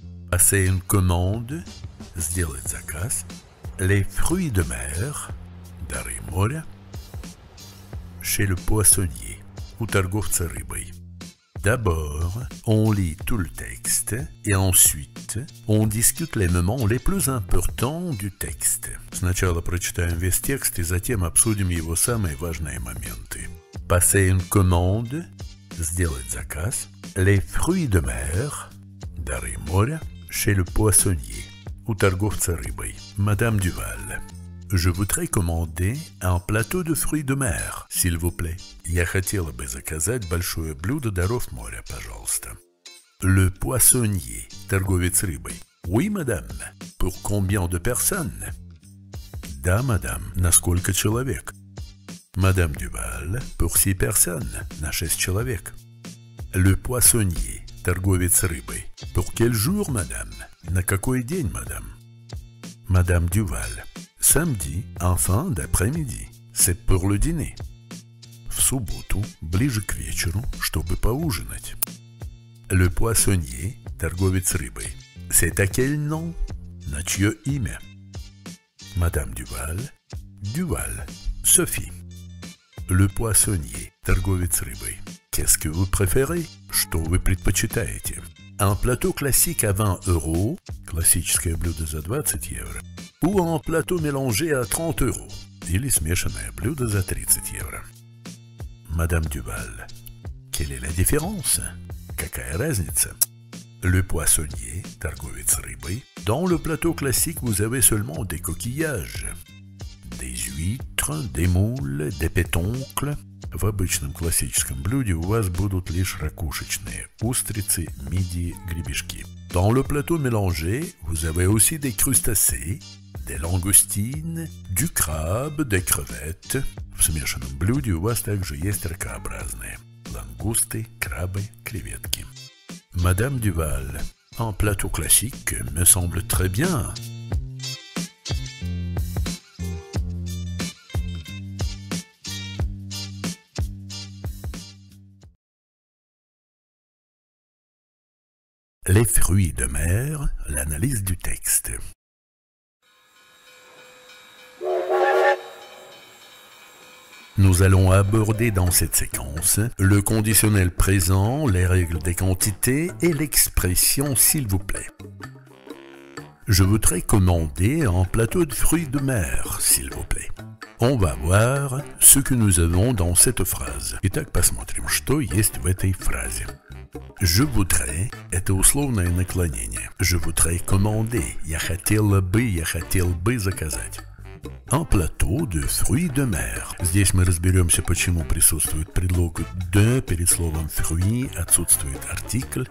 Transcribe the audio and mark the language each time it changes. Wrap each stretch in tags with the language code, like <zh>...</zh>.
<fr>passer une commande, Zdilizakas, les fruits de mer, Darimore, chez le poissonnier, Utargovtsa Rybay. D'abord, on lit tout le texte et ensuite, on discute les moments les plus importants du texte.</fr> <ru>Сначала прочитаем весь текст и затем обсудим его самые важные моменты.</ru> <fr>Passer une commande,</fr> <ru>сделать заказ,</ru> <fr>les fruits de mer,</fr> <ru>дары моря,</ru> <fr>chez le poissonnier,</fr> <ru>у торговца рыбой,</ru> <fr>Madame Duval. Je voudrais commander un plateau de fruits de mer, s'il vous plaît.</fr> <ru>Я хотела бы заказать большое блюдо даров моря, пожалуйста.</ru> <fr>Le poissonnier,</fr> <ru>торговец рыбой.</ru> <fr>Oui, madame. Pour combien de personnes?</fr> <ru>Да, madame. На сколько человек? Madame Duval.</ru> <fr>Pour 6 personnes.</fr> <ru>На 6 человек.</ru> <fr>Le poissonnier,</fr> <ru>торговец рыбой.</ru> <fr>Pour quel jour, madame?</fr> <ru>На какой день, madame?</ru> <fr>Madame Duval. Samedi, en fin d'après-midi, c'est pour le dîner.</fr> <ru>В субботу, ближе к вечеру, чтобы поужинать.</ru> <fr>Le poissonnier,</fr> <ru>торговец рыбой.</ru> <fr>C'est à quel nom?</fr> <ru>На чье имя?</ru> <fr>Madame Duval. Duval. Sophie. Le poissonnier,</fr> <ru>торговец рыбой.</ru> <fr>Qu'est-ce que vous préférez?</fr> <ru>Что вы предпочитаете?</ru> <fr>Un plateau classique à 20 euros.</fr> <ru>Классическое блюдо за 20 евро.</ru> <fr>Ou un plateau mélangé à 30 euros.</fr> <ru>Или смешанное блюдо за 30 евро.</ru> <fr>Madame Duval. Quelle est la différence?</fr> <ru>Какая разница?</ru> <fr>Le poissonnier,</fr> <ru>торговец рыбой.</ru> <fr>Dans le plateau classique, vous avez seulement des coquillages. Des huîtres, des moules, des pétoncles.</fr> <ru>В обычном классическом блюде у вас будут лишь ракушечные, устрицы, мидии, гребешки.</ru> <fr>Dans le plateau mélangé, vous avez aussi des crustacés, des langoustines, du crabe, des crevettes.</fr> <ru>В смешанном блюде у вас также есть ракообразные. Лангусты, крабы, креветки.</ru> <fr>Madame Duval, un plateau classique me semble très bien. Les fruits de mer, l'analyse du texte. Nous allons aborder dans cette séquence le conditionnel présent, les règles des quantités et l'expression « s'il vous plaît ». Je voudrais commander un plateau de fruits de mer, s'il vous plaît. On va voir ce que nous avons dans cette phrase.</fr> <ru>Итак, посмотрим, что есть в этой фразе.</ru> <fr>Je voudrais,</fr> <ru>это условное наклонение.</ru> <fr>Je voudrais commander,</fr> <ru>я хотел бы заказать.</ru> <fr>Un plateau de fruits de mer.</fr> <ru>Здесь мы разберемся, почему присутствует предлог de перед словом fruit, отсутствует артикль.</ru>